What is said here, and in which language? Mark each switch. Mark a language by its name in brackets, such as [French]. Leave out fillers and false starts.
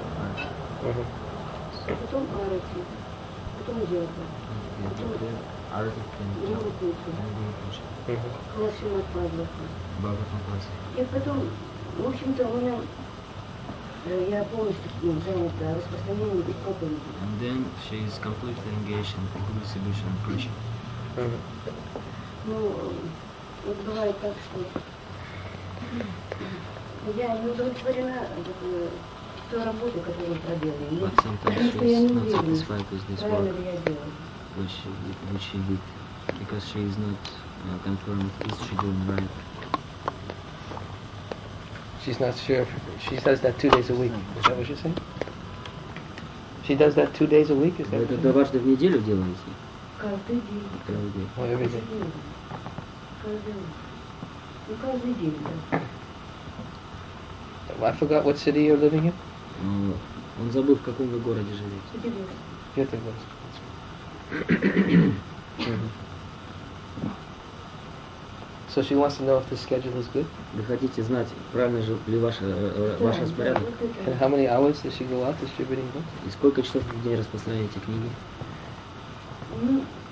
[Russian] арати. Потом арати. Потом йога. Потом арати. Йога пуча. Бхагават Мападзе. И потом, в общем-то, у меня... Я полностью занята распространением и проповедью. [English] And then she is completely engaged in good distribution and preaching. [Russian] Ну, вот бывает так, что я не удовлетворена той работой, которую проделала. [English] But sometimes she is not satisfied with this work, which she did, because she is not confirmed, is she doing right? She's not sure. She says that 2 days a week. Is that what you're saying? She does that 2 days a week? Is that [Russian] это дважды в неделю делается? Каждый день. Каждый день. [English] I forgot what city you're living in. [Russian] Он забыл, в каком вы городе живете. Петербург. [English] So she wants to know if the schedule is good. [Russian] Вы хотите знать, правильно ли ваш распорядок? [English] And how many hours does she go out distributing books? [Russian] И сколько часов в день распространяете книги?